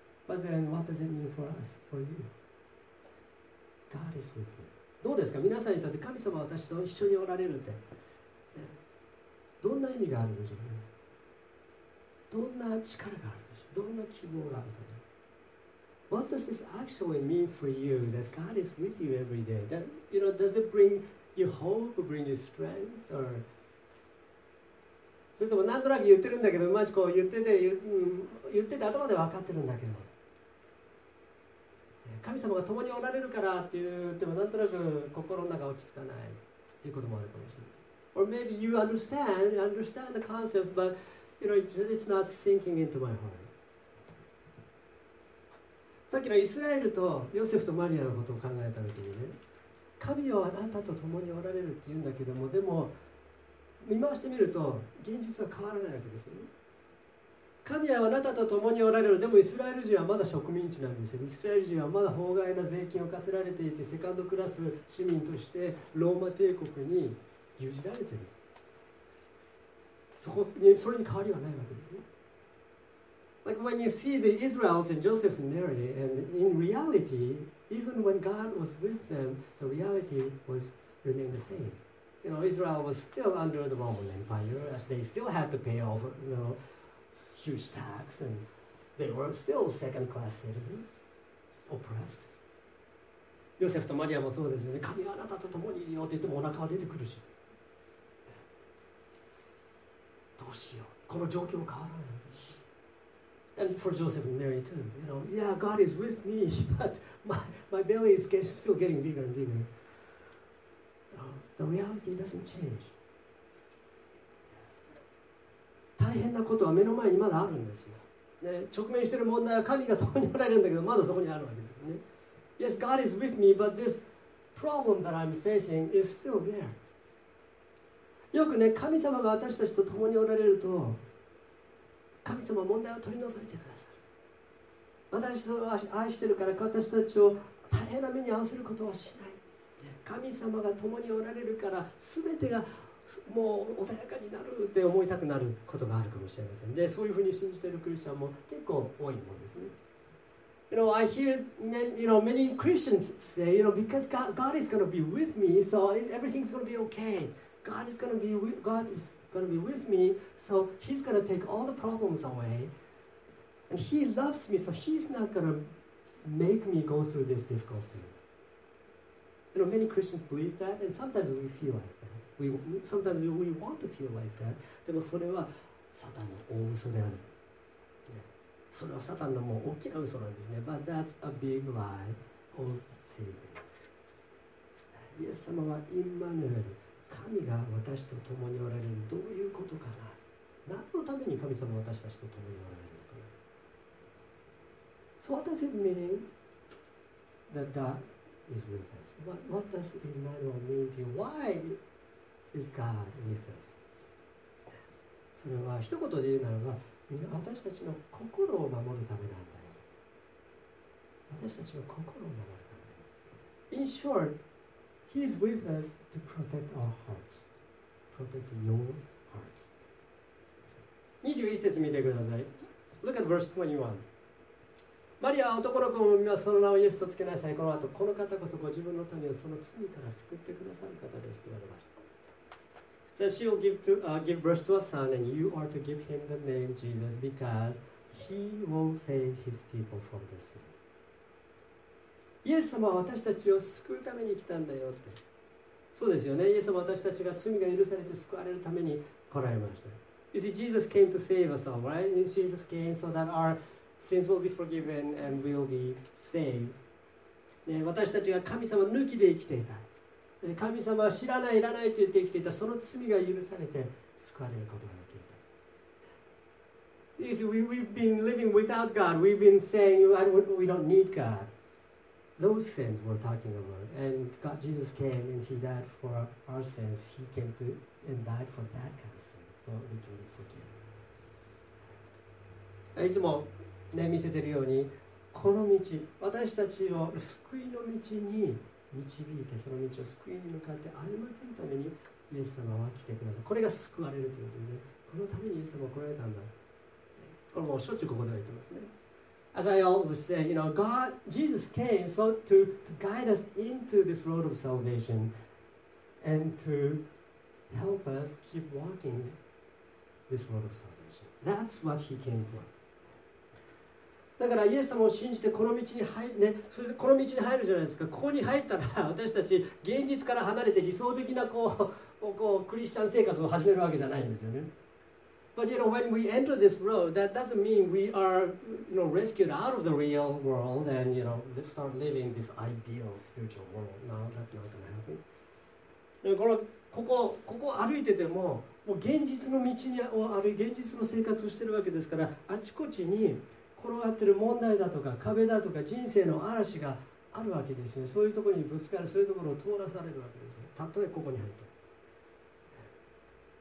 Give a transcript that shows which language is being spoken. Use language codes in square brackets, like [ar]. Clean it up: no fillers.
[en] But then what does it mean for us, for you? God is with you. [ja] どうですか皆さんにとって神様は私と一緒におられるってどんな意味があるでしょうね。どんな力があるでしょう。どんな希望があるでしょう。 [en] What does this actually mean for you that God is with you every day? That you know does it bring? You hope, bring you strength, or [ja] それともなんとなく言ってるんだけど、まじこう言ってて頭で分かってるんだけど、神様が共におられるからって言ってもなんとなく心の中落ち着かないっていうこともあるかもしれない。 [en] Or maybe you understand the concept, but you know it's not sinking into my heart. [ja] さっきのイスラエルとヨセフとマリアのことを考えたときにね。神はあなたと共におられるって言うんだけども、でも見回してみると現実は変わらないわけですよね。神はあなたと共におられる。でもイスラエル人はまだ植民地なんですよ。イスラエル人はまだ法外な税金を課せられていて、セカンドクラス市民としてローマ帝国に牛耳られている。それに変わりはないわけですね。 [en] Like when you see the Israelites and Joseph and Mary, and in reality, even when God was with them, the reality was remained the same. You know, Israel was still under the Roman Empire, as they still had to pay off, you know, huge tax, and they were still second-class citizens, oppressed. [ja] Joseph and Mary もそうですよね。神はあなたと共にいるよって言ってもお腹は出てくるし。どうしよう。この状況変わらない。 [en] And for Joseph and Mary too, you know, yeah, God is with me, but my belly is still getting bigger and bigger. The reality doesn't change. [ja] 大変なことは目の前にまだあるんですよ。ね、直面している問題は神が共におられるんだけど、まだそこにあるわけですね。 [en] Yes, God is with me, but this problem that I'm facing is still there. [ja] よくね、神様が私たちと共におられると、神様は問題を取り除いてくださる。私を愛してるから私たちを大変な目に遭わせることはしない。神様が共におられるから全てがもう穏やかになるって思いたくなることがあるかもしれません。で、そういうふうに信じているクリスチャンも結構多いもんですね。 [en] You know, I hear many, you know, many Christians say, you know, because God is going to be with me, so everything's going to be okay. God is going to be with me, so he's going to take all the problems away. And he loves me, so he's not going to make me go through these difficulties. You know, many Christians believe that, and sometimes we feel like that. Sometimes we want to feel like that. [ja] でもそれはサタンの大嘘である。それはサタンのもう大きな嘘なんですね。 [en] But that's a big lie of Satan. [ja] イエス様はイマヌエル。神が私と共におられる、どういうことかな。何のために神様は私たちと共におられるのかな。 [en] So what does it mean that God is with us? What does Emmanuel mean to you? Why is God with us? [ja] それは一言で言うならば、私たちの心を守るためなんだよ。私たちの心を守るため。 [en] In short,He is with us to protect our hearts. Protect your hearts. [ja] 21節見てください。 [en] Look at verse 21. [ja] マリアは男の子を産みます。その名をイエスとつけなさい。この後、この方こそご自分の民をその罪から救ってくださる方ですと言われました。 [en] So she will give birth to a son, and you are to give him the name Jesus, because he will save his people from their sin. [ja] イエス様は私たちを救うために来たんだよって。そうですよね。イエス様は私たちが罪が許されて救われるために来られました。 [en] You see, Jesus came to save us all, right? Jesus came so that our sins will be forgiven and will be saved.、 [ja] ね、私たちが神様抜きで生きていた。神様は知らない、いらないと言って生きていた。その罪が許されて救われることができる。 [en] You see, we've been living without God. We've been saying we don't need God. Those sins we're talking about. And God, Jesus came and he died for our sins. He came to and died for that kind of sin. So we can be forgiven. [ja] いつも、ね、見せてるように、この道、私たちを救いの道に導いて、その道を救いに向かって歩ませるために、イエス様は来てください。これが救われるということで、ね、このためにイエス様は来られたんだ。これもしょっちゅうここでは言ってますね。 [en] As I always say, you know, God, Jesus came so to guide us into this road of salvation and to help us keep walking this road of salvation. That's what he came for. [ja] だからイエス様を信じてこの道に入る、ね、この道に入るじゃないですか。ここに入ったら私たち現実から離れて理想的なこうクリスチャン生活を始めるわけじゃないんですよね。 [en] But you know, when we enter this road, that doesn't mean we are, you know, rescued out of the real world and, you know, start living this ideal spiritual world. No, that's not going to happen. [ja] ここ歩いてても、もう現実の道にある現実の生活をしているわけですから、あちこちに転がっている問題だとか壁だとか人生の嵐があるわけですよね。そういうところにぶつかる、そういうところを通らされるわけですよ。たとえここに入って。